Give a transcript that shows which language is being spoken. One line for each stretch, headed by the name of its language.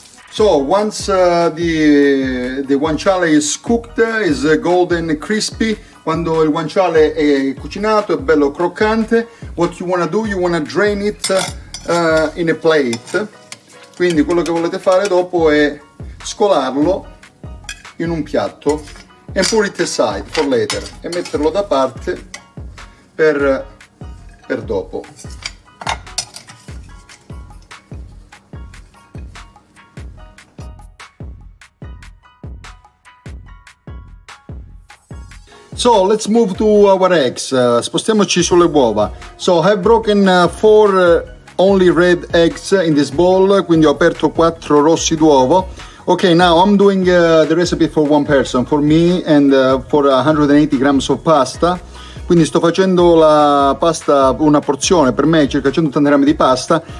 English: So once the guanciale is cooked, is golden crispy.
Italian: Quando il guanciale è cucinato, è bello croccante.
English: What you wanna do? You wanna drain it in a plate.
Italian: Quindi quello che volete fare dopo è scolarlo in un piatto
English: and put it aside for later
Italian: e metterlo da parte per dopo.
English: So let's move to our eggs.
Italian: Spostiamoci sulle uova.
English: So I've broken four only red eggs in this bowl.
Italian: Quindi ho aperto quattro rossi d'uovo.
English: Okay, now I'm doing the recipe for one person, for me and for 180 grams of pasta.
Italian: Quindi sto facendo la pasta, una porzione per me, circa 180 grammi di pasta.